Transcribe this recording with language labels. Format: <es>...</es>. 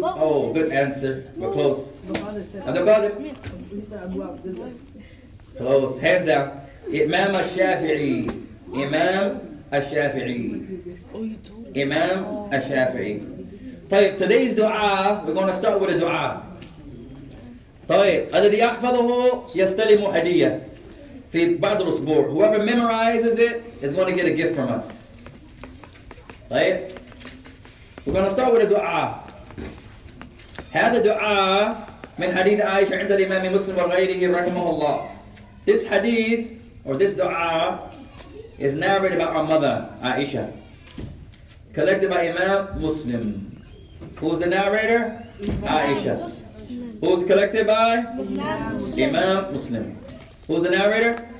<en>Oh, good answer. We're close. Abdul Qadir. Close. Hands down. Imam al-Shafi'i. Imam al-Shafi'i. Imam al-Shafi'i.</en> <ar>طيب,</ar> <en>today's dua, we're going to start with a dua.</en> <ar>طيب, الذي يحفظه يستلم هدية في بعض الأسبوع.</ar> <en>Whoever memorizes it is going to get a gift from us.</en> <ar>طيب,</ar> <en>we're going to start with a dua.</en> <ar>هذا دعاء من حديث عائشة عند الإمام مسلم وغيره رحمه الله.</ar> <en>This hadith or this dua is narrated about our mother Aisha, collected by Imam Muslim. Who's the narrator? Aisha. Who's collected by? Imam Muslim. Who's the narrator?</en>